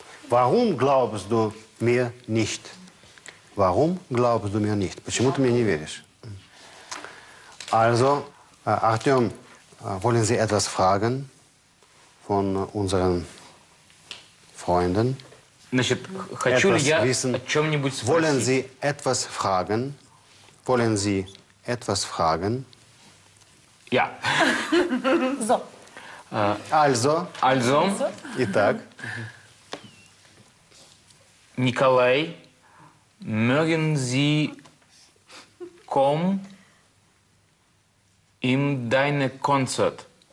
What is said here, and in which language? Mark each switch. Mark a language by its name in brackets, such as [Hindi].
[German] Warum glaubst du mir nicht? Warum glaubst du mir nicht? [Russian] Почему ты мне не веришь? [German] Also, Артем, wollen Sie etwas fragen? Von unseren Freunden. [Russian] Значит, хочу ли я wissen, о чем-нибудь спросить? [German] Wollen Sie etwas fragen? Wollen Sie etwas fragen? Ja. So. Also. Also. [Russian] Итак. [German] Николай, mögen Sie kommen in deine Konzert?